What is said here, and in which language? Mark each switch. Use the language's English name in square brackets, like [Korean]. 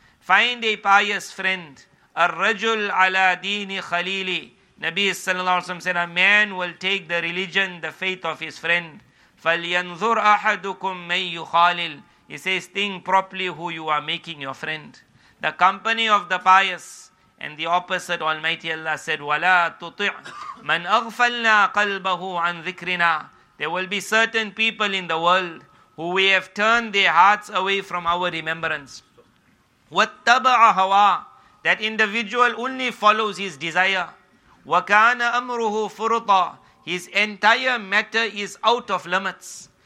[English] Find a pious friend. [Arabic] Ar-rajul ala dini khalili. [English] Nabi sallallahu alaihi wasallam said, a man will take the religion, the faith of his friend. [Arabic] Falyanzur ahadukum may yukhalil. [English] He says, think properly who you are making your friend. The company of the pious. And the opposite, Almighty Allah said, [Arabic] وَلَا تُطِعْ مَنْ أَغْفَلْنَا قَلْبَهُ عَنْ ذِكْرِنَا. [English] There will be certain people in the world who we have turned their hearts away from our remembrance. [Arabic] وَاتَّبَعَ هَوَى. [English] That individual only follows his desire. [Arabic] وَكَانَ أَمْرُهُ فُرُطًا. [English] His entire matter is out of limits.